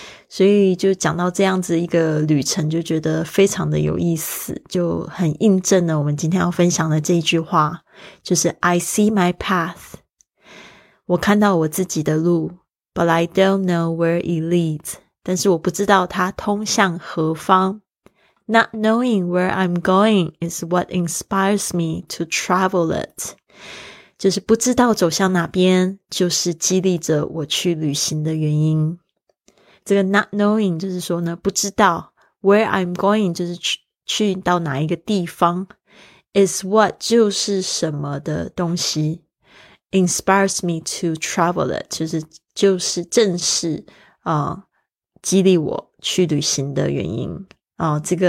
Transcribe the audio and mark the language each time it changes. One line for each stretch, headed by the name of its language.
Chinese: 所以就讲到这样子一个旅程，就觉得非常的有意思，就很印证了我们今天要分享的这一句话，就是
English: I see my path，
Chinese: 我看到我自己的路，
English: But I don't know where it leads.
Chinese: 但是我不知道它通向何方。
English: Not knowing where I'm going is what inspires me to travel it.
Chinese: 就是不知道走向哪边，就是激励着我去旅行的原因。这个
English: not knowing
Chinese: 就是说呢，不知道
English: where I'm going
Chinese: 就是 去到哪一个地方。
English: Is what
Chinese: 就是什么的东西。
English: Inspires me to travel it
Chinese: 就是正是激励我去旅行的原因啊。